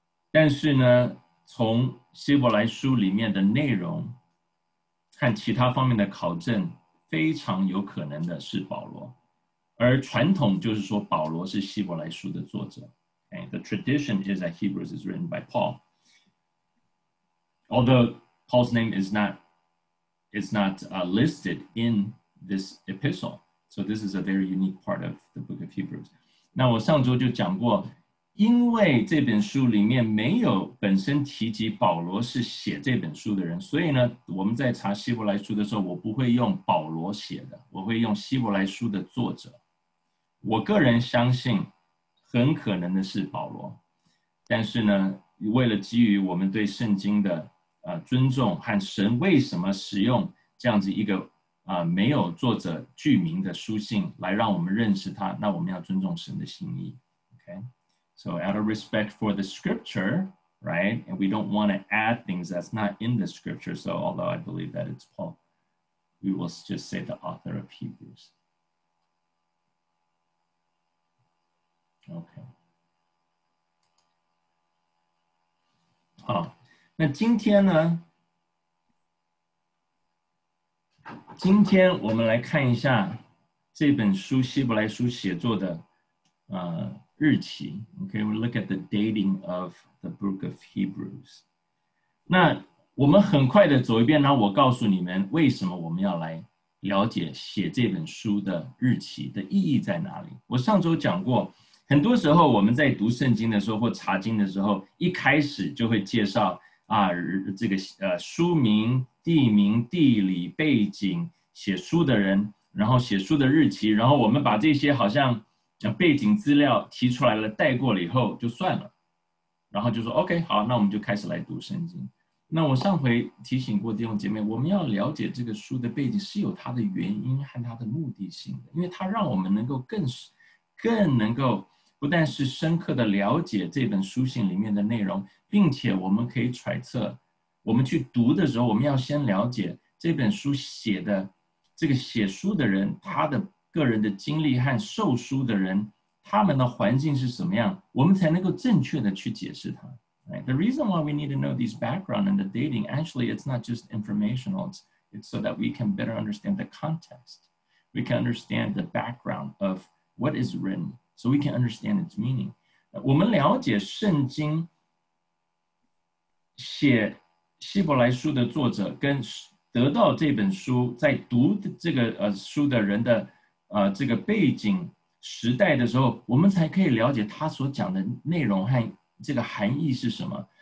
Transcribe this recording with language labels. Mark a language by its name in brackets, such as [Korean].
[Chinese] 但是呢，从希伯来书里面的内容和其他方面的考证，非常有可能的是保罗。而传统就是说保罗是希伯来书的作者。 [English] Okay? The tradition is that Hebrews is written by Paul. Although Paul's name is not listed in this epistle. So this is a very unique part of the book of Hebrews. [Chinese] 那我上周就讲过，因为这本书里面没有本身提及保罗是写这本书的人，所以呢，我们在查希伯来书的时候，我不会用保罗写的，我会用希伯来书的作者。我个人相信很可能的是保罗，但是呢，为了基于我们对圣经的尊重和神为什么使用这样子一个没有作者具名的书信来让我们认识他，那我们要尊重神的心意。 [English] Okay? So out of respect for the scripture, right? And we don't want to add things that's not in the scripture. So although I believe that it's Paul, we will just say the author of Hebrews. Okay. [Chinese] 好，那今天我们来看一下这本书希伯来书写作的日期。 [English] Okay, we look at the dating of the book of Hebrews. [Chinese] 那我们很快的走一遍，然后我告诉你们为什么我们要来了解写这本书的日期的意义在哪里。我上周讲过，很多时候我们在读圣经的时候或查经的时候，一开始就会介绍这个书名、地名、地理、背景、写书的人，然后写书的日期，然后我们把这些好像背景资料提出来了，带过了以后就算了，然后就说 OK 好，那我们就开始来读圣经。那我上回提醒过弟兄姐妹，我们要了解这个书的背景是有它的原因和它的目的性的，因为它让我们能够更能够不但是深刻的了解这本书信里面的内容，并且我们可以揣测，我们去读的时候，我们要先了解这本书写的这个写书的人他的个人的经历和受书的人他们的环境是什么样，我们才能够正确的去解释它。 [English] Right? The reason why we need to know these background and the dating, actually it's not just informational, it's so that we can better understand the context, we can understand the background of what is written, so we can understand its meaning. [Chinese] 我们了解圣经写希伯来书的作者跟得到这本书在读这个书的人的这个背景时代的时候，我们才可以了解他所讲的内容和这个含义是什么。